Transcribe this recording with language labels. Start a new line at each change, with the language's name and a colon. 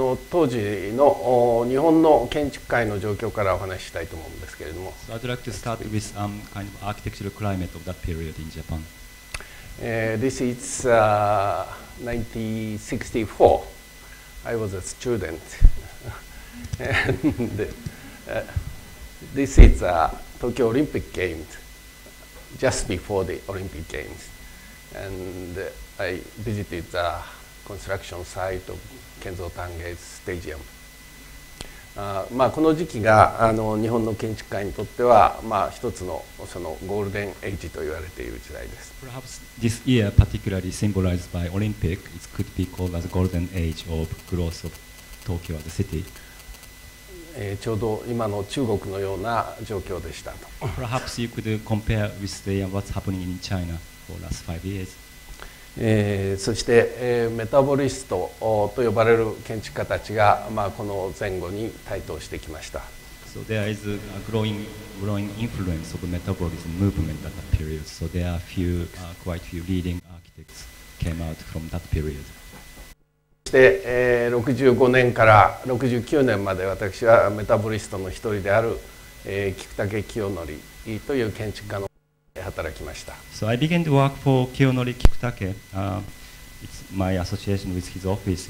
Japanese: 当時の日本の建築界の状況からお話したいと思うんですけれども、
English: So I'd like to start with kind of architectural climate of that period in Japan. This is 1964. I was a student. And, this is Tokyo Olympic Games, just before the Olympic Games. And I visited the construction site of Kenzo Tange Stadium.
Japanese: この時期が日本の建築界にとっては、一つの、そのゴールデンエイジと言われている時代です。
English: Perhaps this year, particularly symbolized by Olympic, it could be called as golden age of growth of Tokyo as a city.
Japanese: ちょうど今の中国のような状況でしたと。
English: Perhaps you could compare with the what's happening in China for last five years.
Japanese: そして、メタボリストと呼ばれる建築家たちが、この前後に台頭してきました。
English: So there is a growing influence of metabolism movement at that period. So there are quite few leading architects came out from that period.
Japanese: で、65年から69年まで私はメタボリストの一人である、菊竹清則という建築家の働きました。
English: So I began to work for 清則菊竹、it's my association with his office.